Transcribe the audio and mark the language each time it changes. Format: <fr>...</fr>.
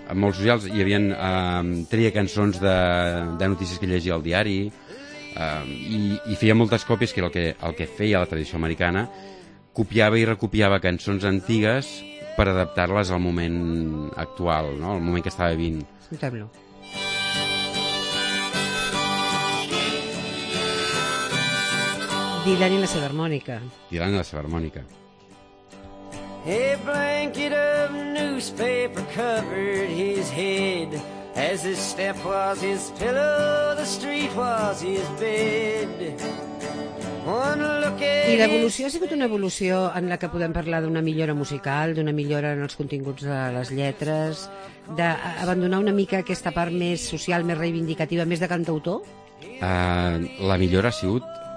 <ca>Molts socials, hi havia tria cançons de notícies que llegia al diari i feia moltes còpies, que era el que feia la tradició americana, copiava i recopiava cançons antigues per adaptar-les al moment actual, no? Al moment que estava vivint. Escoltem-lo. Dylan i la seva harmònica. Dylan i la seva harmònica.</ca> <en>A blanket of newspaper covered his head. As his step was his pillow, the street was his bed.</en> <ca>I l'evolució ha sigut una evolució en la que podem parlar d'una millora musical, d'una millora en els continguts de les lletres, d'abandonar una mica aquesta part més social, més reivindicativa, més de cantautor? La millora ha sigut...</ca>